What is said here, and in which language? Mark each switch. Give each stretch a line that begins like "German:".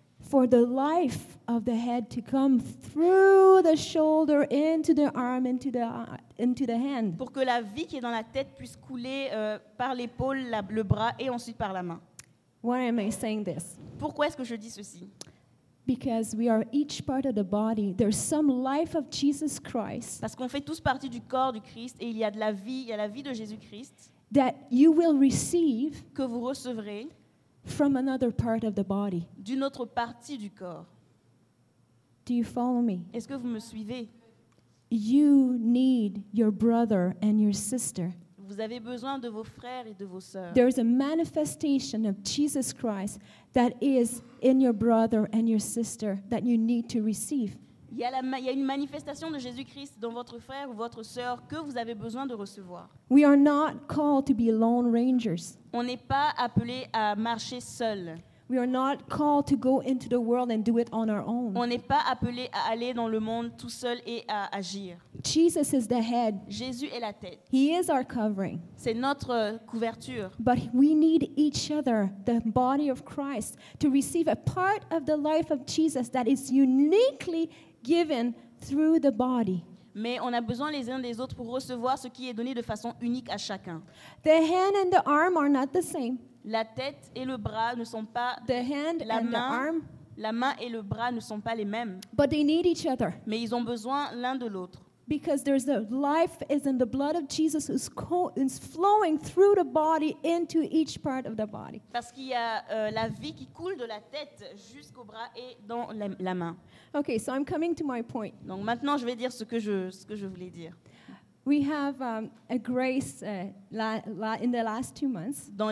English: For the life of the head to come through the shoulder into the arm into the hand.
French: Pour que la vie qui est dans la tête puisse couler par l'épaule, le bras et ensuite par la main.
English: Why am I saying this?
French: Pourquoi est-ce que je dis ceci?
English: Because we are each part of the body. There's some life of Jesus Christ.
French: Parce qu'on fait tous partie du corps du Christ et il y a la vie de Jésus-Christ.
English: That you will receive
French: que vous recevrez
English: from another part of the body.
French: D'une autre partie du corps.
English: Do you follow me?
French: Est-ce que vous me suivez?
English: You need your brother and your sister.
French: vous avez besoin de vos frères et de vos sœurs.
English: There is a manifestation of Jesus Christ that is in your brother and your sister that you need to receive.
French: Il y a une manifestation de Jésus-Christ dans votre frère ou votre sœur que vous avez besoin de recevoir.
English: We are not called to be lone rangers.
French: On n'est pas appelé à marcher seul.
English: We are not called to go into the world and do it on our own.
French: On n'est pas appelé à aller dans le monde tout seul et à agir.
English: Jesus is the head.
French: Jésus est la tête.
English: He is our covering.
French: C'est notre couverture.
English: But we need each other, the body of Christ, to receive a part of the life of Jesus that is uniquely given through the body.
French: Mais on a besoin les uns des autres pour recevoir ce qui est donné de façon unique à chacun.
English: The hand and the arm are not the same.
French: La tête et le bras ne sont pas
English: the hand
French: la
English: and
French: main,
English: the arm.
French: La main et le bras ne sont pas les mêmes.
English: But they need each other.
French: Mais ils ont besoin l'un de l'autre.
English: Because there's a life is in the blood of Jesus who's flowing through the body into each part of the body.
French: Parce qu'il y a la vie qui coule de la tête jusqu'au bras et dans la main.
English: Okay, so I'm coming to my point.
French: Donc maintenant je vais dire ce que je voulais dire.
English: We have a grace in the last 2 months.